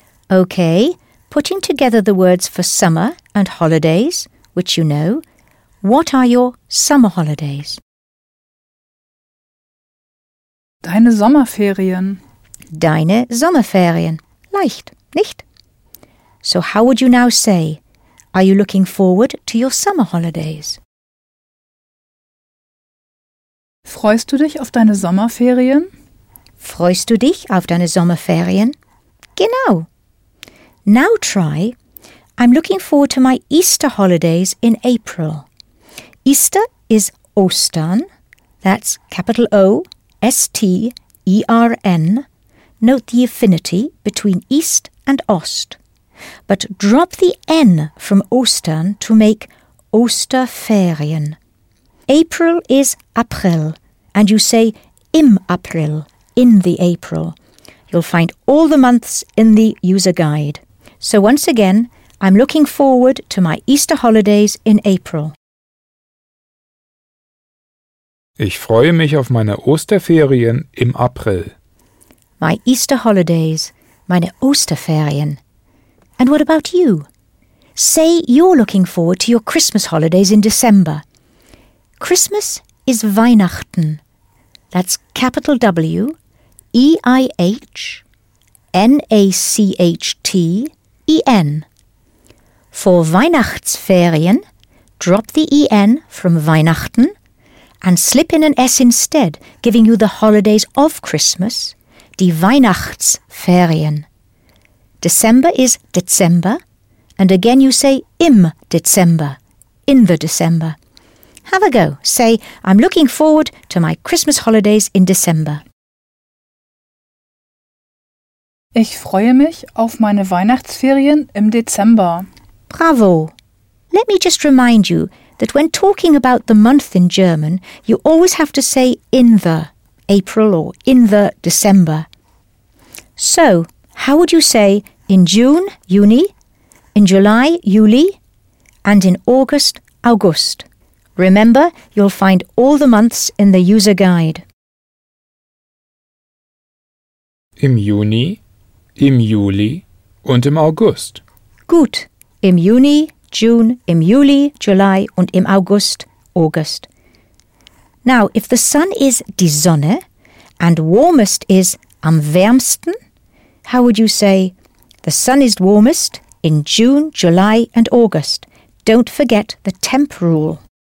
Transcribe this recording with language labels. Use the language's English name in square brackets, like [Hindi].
[English] Okay, putting together the words for summer and holidays, which you know, what are your summer holidays? [German] Deine Sommerferien. Deine Sommerferien. Leicht, nicht? [English] So how would you now say, are you looking forward to your summer holidays? [German] Freust du dich auf deine Sommerferien? Freust du dich auf deine Sommerferien? Genau. [English] Now try, I'm looking forward to my Easter holidays in April. Easter is Ostern, that's capital O-S-T-E-R-N. Note the affinity between East and Ost. But drop the N from Ostern to make Osterferien. April is April, and you say [German] im April, [English] in the April. You'll find all the months in the user guide. So once again, I'm looking forward to my Easter holidays in April. [German] Ich freue mich auf meine Osterferien im April. [English] My Easter holidays, [German] meine Osterferien. [English] And what about you? Say you're looking forward to your Christmas holidays in December. Christmas is Weihnachten. That's capital W, E-I-H-N-A-C-H-T-E-N. For Weihnachtsferien, drop the E-N from Weihnachten and slip in an S instead, giving you the holidays of Christmas, [German] die Weihnachtsferien. [English] December is Dezember, and again you say [German] im Dezember, [English] in the December. Have a go. Say, I'm looking forward to my Christmas holidays in December. [German] Ich freue mich auf meine Weihnachtsferien im Dezember. Bravo. [English] Let me just remind you that when talking about the month in German, you always have to say in the April or in the December. So, how would you say in June, Juni, in July, Juli, and in August, August? Remember, you'll find all the months in the user guide. [German] Im Juni, im Juli und im August. Gut. Im Juni, June, im Juli, July und im August, August. [English] Now, if the sun is [German] die Sonne [English] and warmest is [German] am wärmsten, [English] how would you say, the sun is warmest in June, July and August. Don't forget the temp rule.